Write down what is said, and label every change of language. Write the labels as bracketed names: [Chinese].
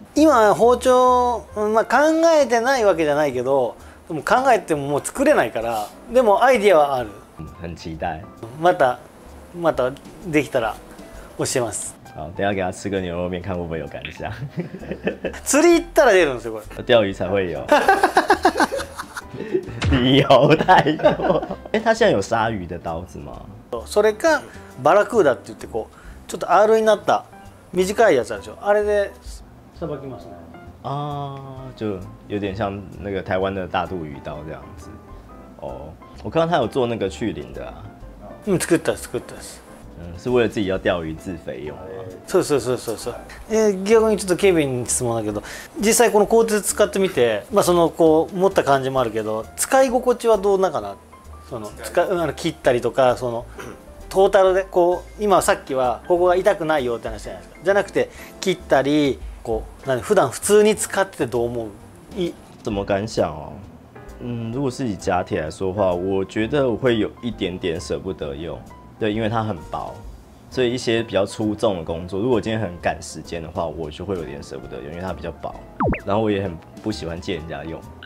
[Japanese] 今包丁、まあ考えてないわけじゃないけど、でも考えてももう作れないから、でもアイディアはある。 [Chinese] 嗯、很期待。 [Japanese] またできたら教えます。 [Chinese] 好，等一下给他吃个牛肉面，看会不会有感想。 [Japanese] 釣り行ったら出るんですよ、これ。 [Chinese] 钓鱼才会有。理由太多。哎、欸，他现在有鲨鱼的刀子吗？ [Japanese] それかバラクーダって言って、こうちょっと R になった短いやつあるでしょ、あれでさばきますね。 [Chinese] ああ、就有点像那个台湾的大肚鱼刀这样子。哦，我看到他有做那个去鳞的啊。 [Japanese] 嗯，作った作ったです。 [Chinese] 嗯，是为了自己要钓鱼自肥用吗？ [Japanese] そうそうそうそうそう。逆にちょっとケビンに質問だけど、実際この鋼鉄使ってみて、まあそのこう持った感じもあるけど、使い心地はどうなかな？切ったりとか、そのトータルでこう、今さっきはここが痛くないよって話じゃないですか、じゃなくて切ったりこう、なんで普段普通に使っててどう思う？ [Chinese] 怎么感想哦？嗯，如果是以假体来说的话，我觉得我会有一点点舍不得用，对，因为它很薄，所以一些比较粗重的工作，如果今天很赶时间的话，我就会有点舍不得用，因为它比较薄，然后我也很不喜欢借人家用。